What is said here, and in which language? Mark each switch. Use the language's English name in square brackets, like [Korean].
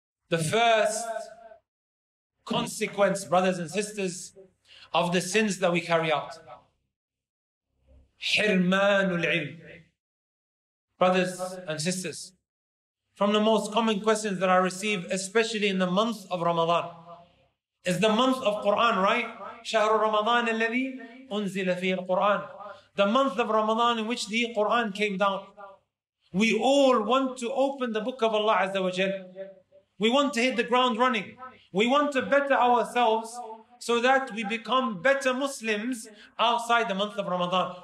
[English] The first consequence, brothers and sisters, of the sins that we carry out. Hirmanul ilm. Brothers and sisters, from the most common questions that I receive, especially in the month of Ramadan, is the month of Quran, right? [Arabic] شهر رمضان الذي أنزل فيه القرآن. [English] The month of Ramadan in which the Quran came down. We all want to open the book of Allah Azza wa Jal. We want to hit the ground running. We want to better ourselves so that we become better Muslims outside the month of Ramadan.